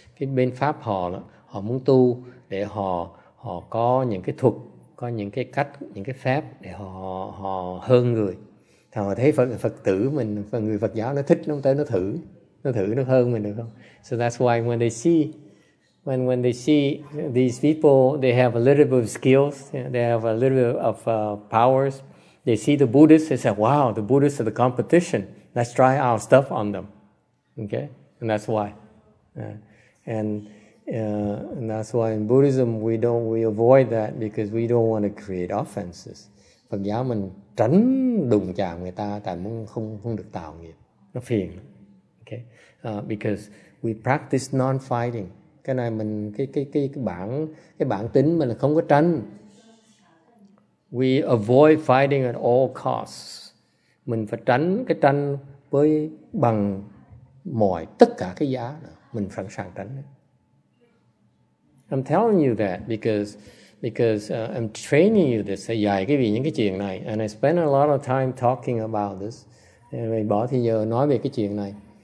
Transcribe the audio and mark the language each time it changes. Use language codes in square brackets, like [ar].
[vi] Cái bên pháp họ là họ muốn tu để họ họ có những cái thuật, có những cái cách, những cái phép để họ họ hơn người. Thì họ thấy Phật tử mình, Phật người Phật giáo nó thích, nó tới nó thử nó hơn mình được không? [en] So that's why when they see these people, they have a little bit of skills, they have a little bit of powers. They see the Buddhists, they say, "Wow, the Buddhists are the competition. Let's try our stuff on them." Okay, and that's why. And that's why in Buddhism we avoid that because we don't want to create offenses. [vi] Phật giáo mình tránh đụng chạm người ta, tại muốn không được tạo nghiệp, nó phiền. [en] Okay, because we practice non-fighting. [vi] Cái này mình cái bản tính mình là không có tranh. [en] We avoid fighting at all costs. [vi] Mình phải tránh cái tranh với bằng mọi tất cả cái giá đó. Mình sẵn sàng tránh. [en] I'm telling you that because I'm training you this. [vi] Dạy cái vì những cái chuyện này. [en] And I spend a lot of time talking about this. [vi] Rồi bỏ thì giờ nói về cái chuyện này.